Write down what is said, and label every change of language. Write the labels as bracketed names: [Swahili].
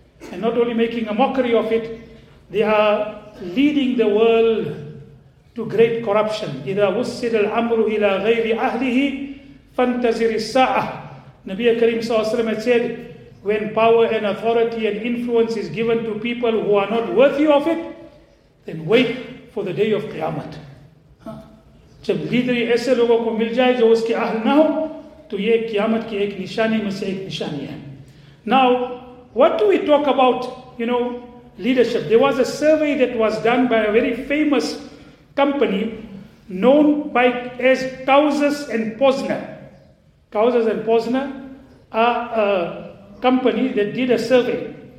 [English] And not only making a mockery of it, they are leading the world to great corruption. [Arabic] إِذَا وُسِّدَ الْأَمْرُ إِلَىٰ غَيْرِ أَهْلِهِ فَانْتَزِرِ السَّاعَةِ. [English] Nabi Karim ﷺ had said, when power and authority and influence is given to people who are not worthy of it, then wait for the day of Qiyamah. [Urdu] جب لیدری ایسے لوگوں کو مل جائے جو اس کے اہل نہ ہو تو یہ قیامت کی ایک نشانی میں سے ایک نشانی ہے. [English] Now, what do we talk about, you know, leadership? There was a survey that was done by a very famous company known by as Kausas and Posner. Kausas and Posner are a company that did a survey.